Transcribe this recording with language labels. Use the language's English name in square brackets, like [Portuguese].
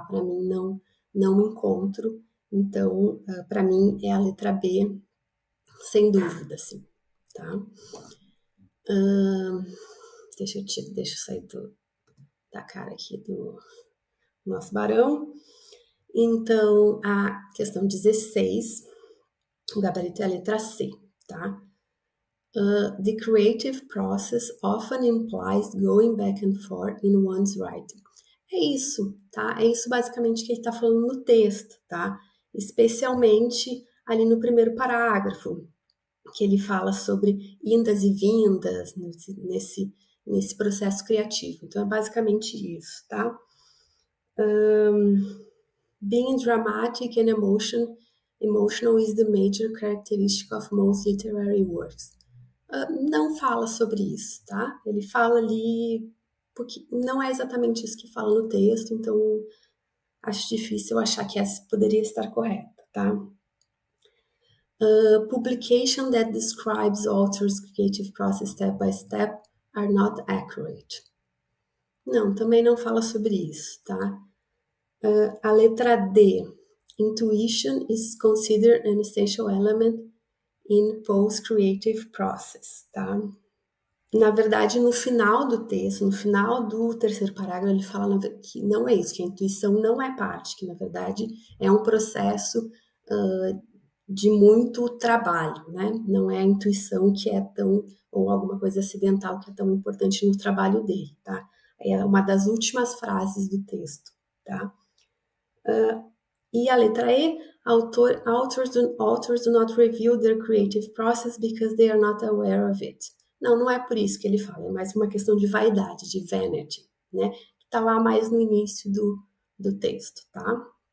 [Portuguese] Para mim não encontro, então para mim é a letra B, sem dúvida, assim, tá? Deixa eu sair da cara aqui do nosso barão. Então, a questão 16, o gabarito é a letra C, tá? [English] The creative process often implies going back and forth in one's writing. [Portuguese] É isso, tá? É isso basicamente que ele está falando no texto, tá? Especialmente ali no primeiro parágrafo. Que ele fala sobre indas e vindas nesse processo criativo. Então, é basicamente isso, tá? [English] Being dramatic and emotional is the major characteristic of most literary works. [Portuguese] Não fala sobre isso, tá? Ele fala ali, porque não é exatamente isso que fala no texto, então acho difícil achar que essa poderia estar correta, tá? [English] Publication that describes author's creative process step by step are not accurate. [Portuguese] Não, também não fala sobre isso, tá? A letra D, [English] intuition is considered an essential element in post-creative process, [Portuguese] tá? Na verdade, no final do texto, no final do terceiro parágrafo, ele fala que não é isso, que a intuição não é parte, que na verdade é um processo de muito trabalho, né? Não é a intuição que é tão, ou alguma coisa acidental que é tão importante no trabalho dele, tá? É uma das últimas frases do texto, tá? E a letra E, [English] authors do not reveal their creative process because they are not aware of it. [Portuguese] Não, não é por isso que ele fala, é mais uma questão de vaidade, de vanity, né? Que tá lá mais no início do texto, tá?